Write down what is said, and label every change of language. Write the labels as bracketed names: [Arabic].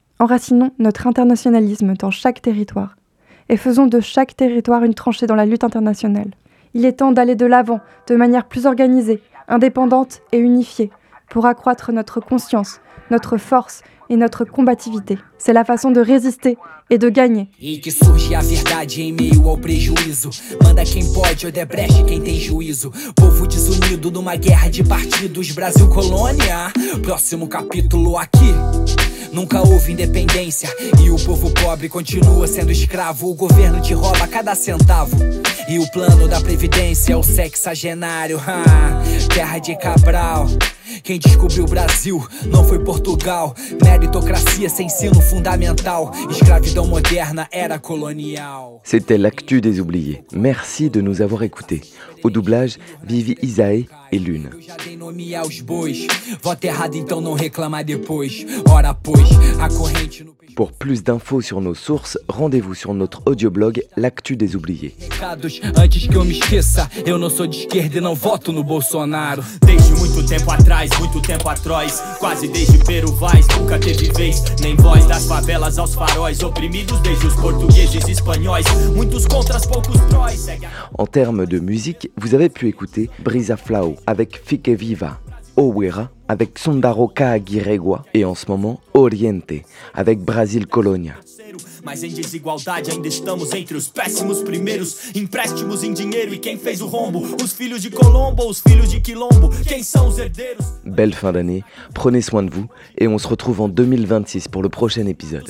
[French] Enracinons notre internationalisme dans chaque territoire. Et faisons de chaque territoire une tranchée dans la lutte internationale. Il est temps d'aller de l'avant, de manière plus organisée, indépendante et unifiée, pour accroître notre conscience, notre force et notre combativité. C'est la façon de résister et de gagner. [Portuguese] Et que surge a verdade em meio ao prejuízo. Manda quem pode, Odebrecht, quem tem juízo. Povo desunido numa guerra de partidos, Brasil colônia. Próximo capítulo aqui. Nunca houve independência e o povo pobre continua sendo escravo. O governo te rouba cada centavo e o plano da previdência é o sexagenário. Terra de Cabral, quem descobriu o Brasil não foi Portugal. Meritocracia sem ensino fundamental, escravidão moderna era colonial. [French] C'était l'actu des oubliés. Merci de nous avoir écoutés. Au doublage, Vivi Isaé et Lune. [Portuguese] Eu já dei nome aos bois. Voto errado, então não reclama depois. Ora, pois, a corrente no. [French] Pour plus d'infos sur nos sources, rendez-vous sur notre audioblog L'Actu des Oubliés. [Portuguese] Recados, antes que eu me esqueça, eu não sou de esquerda e não voto no Bolsonaro. Desde muito tempo atrás, muito tempo atroz, quase desde Peruvais, nunca teve vez, nem voz das favelas aos faróis, oprimidos desde os portugueses e espanhóis, muitos contras, poucos prós. [French] En termes de musique, vous avez pu écouter Brisa Flau avec Fique Viva, Owera avec Sundaro Kaagiregua et en ce moment Oriente avec Brasil Colonia. [Portuguese] Mas em desigualdade ainda estamos entre os péssimos primeiros. Empréstimos em dinheiro e quem fez o rombo? Os filhos de Colombo, os filhos de Quilombo. Quem são os herdeiros? [French] Belle fin d'année, prenez soin de vous et on se retrouve en 2026 pour le prochain épisode.